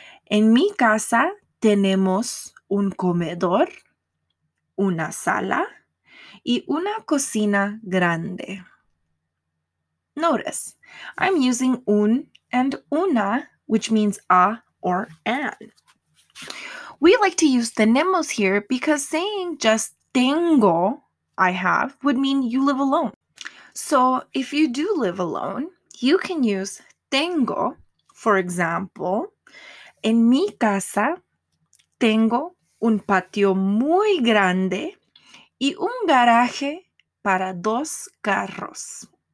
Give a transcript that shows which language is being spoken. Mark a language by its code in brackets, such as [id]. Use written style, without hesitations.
[es] En mi casa tenemos un comedor, una sala, y una cocina grande. [en] Notice, I'm using un and una, which means a or an. We like to use tenemos here because saying just tengo, I have, would mean you live alone. So if you do live alone, you can use tengo. For example, [es] en mi casa tengo un patio muy grande y un garaje para dos carros.